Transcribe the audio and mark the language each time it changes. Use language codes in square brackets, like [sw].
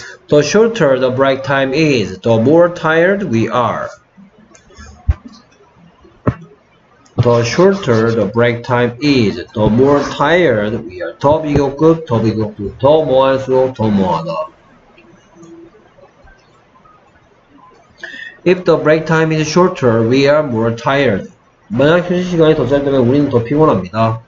[en] The shorter the break time is, the more tired we are. The shorter the break time is, the more tired we are. [ko] 더 비교급, 더 비교급, 더 모아할수록 더 모아다. [en] If the break time is shorter, we are more tired. [ko] 만약 휴식 시간이 더 짧다면 우리는 더 피곤합니다.